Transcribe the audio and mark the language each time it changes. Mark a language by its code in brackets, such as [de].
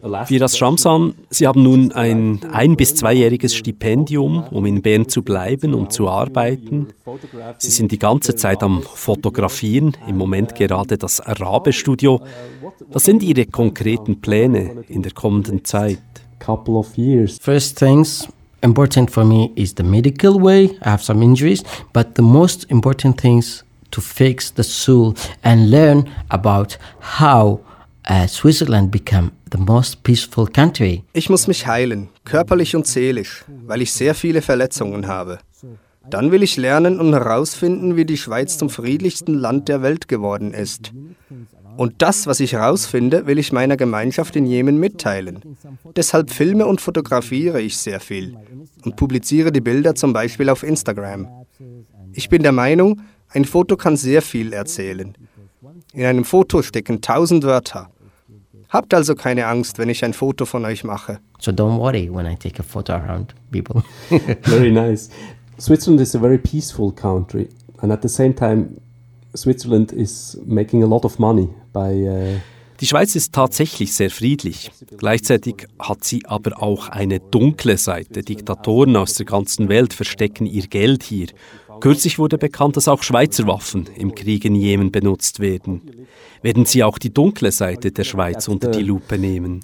[de] Firas Shamsan, Sie haben nun ein 1- bis 2-jähriges Stipendium, um in Bern zu bleiben, um zu arbeiten. Sie sind die ganze Zeit am Fotografieren, im Moment gerade das RaBe-Studio. Was sind Ihre konkreten Pläne in der kommenden Zeit? [en] First things important for me is the medical way. I have some injuries, but the most important things to fix the soul and learn about how Switzerland became the most peaceful country. [de] Ich muss mich heilen, körperlich und seelisch, weil ich sehr viele Verletzungen habe. Dann will ich lernen und herausfinden, wie die Schweiz zum friedlichsten Land der Welt geworden ist. Und das, was ich herausfinde, will ich meiner Gemeinschaft in Jemen mitteilen. Deshalb filme und fotografiere ich sehr viel und publiziere die Bilder zum Beispiel auf Instagram. Ich bin der Meinung, ein Foto kann sehr viel erzählen. In einem Foto stecken 1000 Wörter. Habt also keine Angst, wenn ich ein Foto von euch mache. [en] So don't worry when I take a photo around people. Very nice. Switzerland is a very peaceful country. And at the same time, Switzerland is making a lot of money by... [de] Die Schweiz ist tatsächlich sehr friedlich. Gleichzeitig hat sie aber auch eine dunkle Seite. Diktatoren aus der ganzen Welt verstecken ihr Geld hier. Kürzlich wurde bekannt, dass auch Schweizer Waffen im Krieg in Jemen benutzt werden. Werden Sie auch die dunkle Seite der Schweiz unter die Lupe nehmen?